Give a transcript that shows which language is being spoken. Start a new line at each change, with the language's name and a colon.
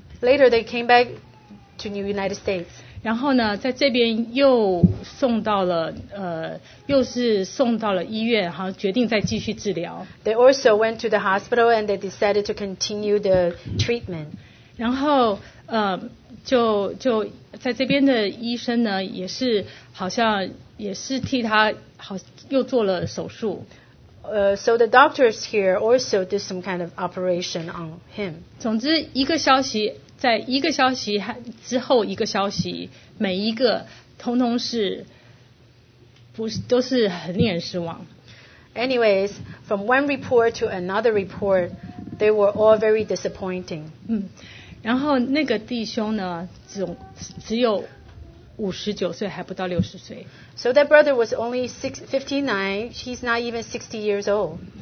English: Later they came back to the United States.
Chinese: 然后呢，在这边又送到了又是送到了医院，好像决定再继续治疗。
English: They also went to the hospital and they decided to continue the treatment.
Chinese: 然后就在这边的医生呢，也是好像也是替他好又做了手术。
English: So the doctors here also did some kind of operation on him.
Chinese: 总之，一个消息。在一个消息之后一个消息每一个通通是不是都是很令人失望
English: Anyways, from one report to another report, they were all very disappointing.
Chinese: 然后那个弟兄呢 只有59岁还不到60岁
English: So that brother was only 59, he's not even 60 years old.